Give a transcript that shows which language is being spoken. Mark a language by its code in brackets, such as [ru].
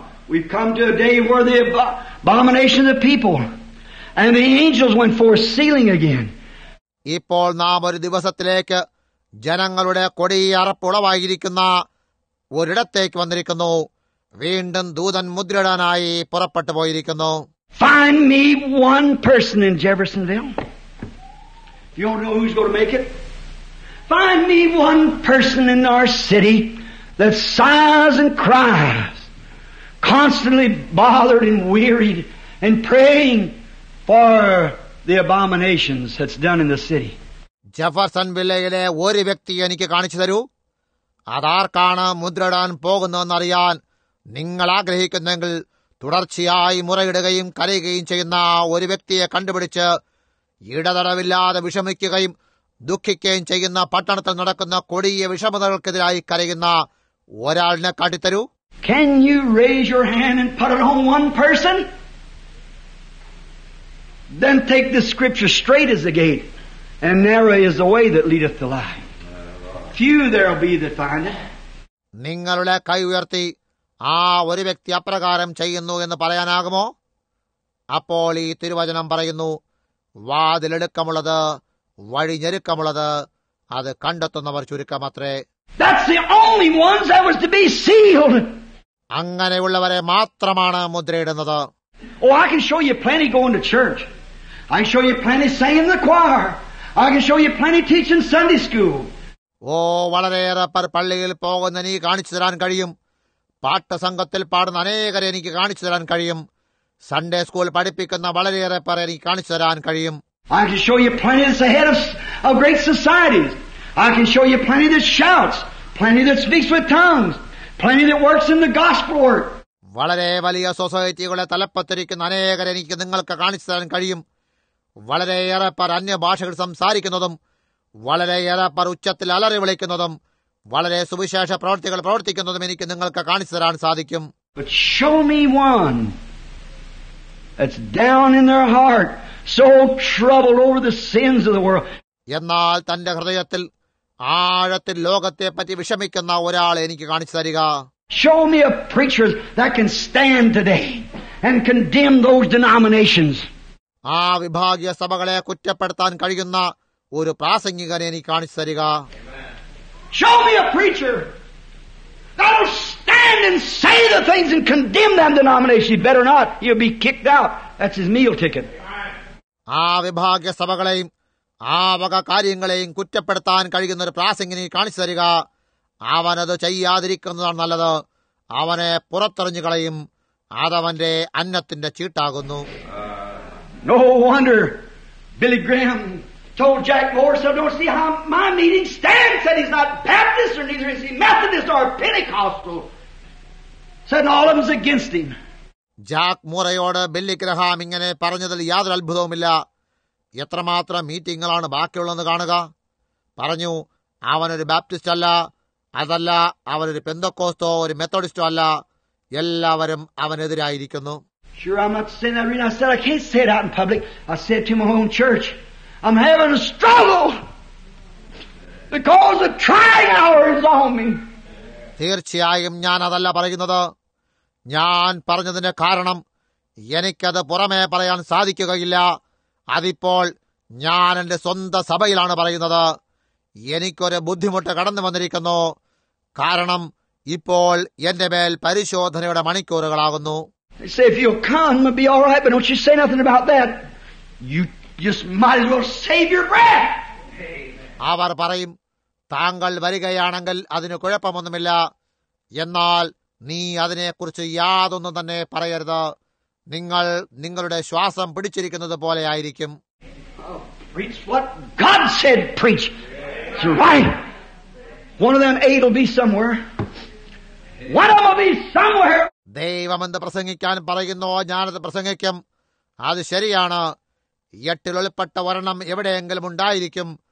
[en] We've come to a day where the abomination of the people and the angels went forth sealing again. [ml] ഇപ്പോൾ നാം ഒരു ദിവസത്തിലേക്ക് ജനങ്ങളുടെ കൊടിയറപ്പുളവായിരിക്കുന്ന ഒരിടത്തേക്ക് വന്നിരിക്കുന്നു. വീണ്ടും ദൂതൻ മുദ്രിടാനായി പുറപ്പെട്ടു പോയിരിക്കുന്നു. [en] Find me one person in Jeffersonville. You don't know who's going to make it. Find me one person in our city that sighs and cries, constantly bothered and wearied and praying for the abominations that's done in the city. [ml] ജെഫർസൺവില്ലയിലെ ഒരു വ്യക്തി എനിക്ക് കാണിച്ചു തരൂ. അതാർക്കാണ് മുദ്രിടാൻ പോകുന്നതെന്നറിയാൻ നിങ്ങൾ ആഗ്രഹിക്കുന്നെങ്കിൽ തുടർച്ചയായി മുറയിടുകയും കരയുകയും ചെയ്യുന്ന ഒരു വ്യക്തിയെ കണ്ടുപിടിച്ച് ഇടതടവില്ലാതെ വിഷമിക്കുകയും ദുഃഖിക്കുകയും ചെയ്യുന്ന പട്ടണത്തിൽ നടക്കുന്ന കൊടിയ വിഷമതകൾക്കെതിരായി കരയുന്ന ഒരാളിനെ കാട്ടിത്തരൂ. [en] Can you raise your hand and put it on one person? Then take the scripture, straight as the gate, and narrow is the way that leadeth to life. Few there will be that find it. [ml] നിങ്ങളുടെ കൈ ഉയർത്തി ആ ഒരു വ്യക്തി അപ്രകാരം ചെയ്യുന്നു എന്ന് പറയാനാകുമോ? അപ്പോൾ ഈ തിരുവചനം പറയുന്നു, വാതിലെടുക്കമുള്ളത്, വഴി ഞെരുക്കമുള്ളത്, അത് കണ്ടെത്തുന്നവർ ചുരുക്കമത്രേ. [en] That's the only ones that was to be sealed. [ml] അങ്ങനെയുള്ളവരെ മാത്രമാണ് മുദ്രയിടുന്നത്. [en] Oh, I can show you plenty going to church. I can show you plenty singing in the choir. I can show you plenty teaching Sunday school. [ml] ഓ, വളരെയേറെ പേർ പള്ളിയിൽ പോകുന്ന നീ കാണിച്ചു തരാൻ കഴിയും. പാട്ടസംഘത്തിൽ പാടുന്ന അനേകരെ എനിക്ക് കാണിച്ചു തരാൻ കഴിയും. സൺഡേ സ്കൂൾ പഠിപ്പിക്കുന്ന വളരെയേറെ പേരെ എനിക്ക് കാണിച്ചു തരാൻ കഴിയും. [en] I can show you plenty that's ahead of great societies. I can show you plenty that shouts, plenty that speaks with tongues, plenty that works in the gospel work. [ml] വളരെ വലിയ സൊസൈറ്റികളെ തലപ്പത്തിരിക്കുന്ന അനേകരെ എനിക്ക് നിങ്ങൾക്ക് കാണിച്ചു തരാൻ കഴിയും. വളരെയേറെ പേർ അന്യഭാഷകൾ സംസാരിക്കുന്നതും വളരെയേറെ പേർ ഉച്ചത്തിൽ അലറി വിളിക്കുന്നതും വളരെ സുവിശേഷ പ്രവർത്തികൾ പ്രവർത്തിക്കുന്നതും എനിക്ക് നിങ്ങൾക്ക് കാണിച്ചു തരാൻ സാധിക്കും. [en] But show me one that's down in their heart, so troubled over the sins of the world. [ml] എന്നാൽ തന്റെ ഹൃദയത്തിൽ ആഴത്തിൽ ലോകത്തെ പറ്റി വിഷമിക്കുന്ന ഒരാൾ എനിക്ക് കാണിച്ചു തരിക. [en] Show me a preacher that can stand today and condemn those denominations. [ml] ആ വിഭാഗീയ സഭകളെ കുറ്റപ്പെടുത്താൻ കഴിയുന്ന ഒരു പ്രാസംഗികനെ എനിക്ക് കാണിച്ചു തരിക. [en] Show me a preacher that will stand and say the things and condemn that denomination. You better not. You'll be kicked out. That's his meal ticket. [ml] ആ വിഭാഗീയ സഭകളെയും ആ വക കാര്യങ്ങളെയും കുറ്റപ്പെടുത്താൻ കഴിയുന്ന ഒരു പ്രാസംഗികനെ കാണിച്ചു തരിക. അവനത് ചെയ്യാതിരിക്കുന്നതാണ് നല്ലത്. അവനെ പുറത്തെറിഞ്ഞു കളയും. അതവന്റെ അന്നത്തിന്റെ ചീട്ടാകുന്നു. [en] No wonder Billy Graham told Jack Morris, I don't see how my meeting stands. Said he's not Baptist or neither is he Methodist or Pentecostal. Said all of them's against him. [ml] Jack മൂറയോട് Billy Graham ഇങ്ങനെ പറഞ്ഞതിൽ യാതൊരു അത്ഭുതവുമില്ല. എത്രമാത്രം മീറ്റിംഗുകളാണ് ബാക്കിയുള്ളതെന്ന് കാണുക. പറഞ്ഞു, അവനൊരു Baptist അല്ല, അതല്ല അവനൊരു പെന്തക്കോസ്തോ ഒരു മെത്തോഡിസ്റ്റോ അല്ല. എല്ലാവരും അവനെതിരായിരിക്കുന്നു. [en] Sure, I'm not saying that. I mean, I said I can't say it out in public. I said to my own church, I'm having a struggle because the trying hour is on me. [ml] തീർച്ചയായും ഞാൻ അതല്ല പറയുന്നത്. ഞാൻ പറഞ്ഞതിന്റെ കാരണം എനിക്കത് പുറമേ പറയാൻ സാധിക്കുകയില്ല. അതിപ്പോൾ ഞാൻ എന്റെ സ്വന്തം സഭയിലാണ് പറയുന്നത്. എനിക്കൊരു ബുദ്ധിമുട്ട് കടന്നു വന്നിരിക്കുന്നു. കാരണം ഇപ്പോൾ എന്റെ മേൽ പരിശോധനയുടെ മണിക്കൂറുകളാകുന്നു. [en] They say, if you'll come, it'll be all right, but don't you say nothing about that. You just might as well save your breath. [ml] അവർ പറയും, താങ്കൾ വരികയാണെങ്കിൽ അതിന് കുഴപ്പമൊന്നുമില്ല, എന്നാൽ നീ അതിനെക്കുറിച്ച് യാതൊന്നും തന്നെ പറയരുത്. നിങ്ങൾ നിങ്ങളുടെ ശ്വാസം പിടിച്ചിരിക്കുന്നത് പോലെയായിരിക്കും. [en] Preach what God said, preach. It's right. One of them eight will be somewhere. One of them will be somewhere. [ml] ദൈവം എന്ത് പ്രസംഗിക്കാൻ പറയുന്നോ ഞാനത് പ്രസംഗിക്കും. അത് ശരിയാണ്. എട്ടിൽ ഒളിപ്പെട്ട ഒരെണ്ണം എവിടെയെങ്കിലും ഉണ്ടായിരിക്കും.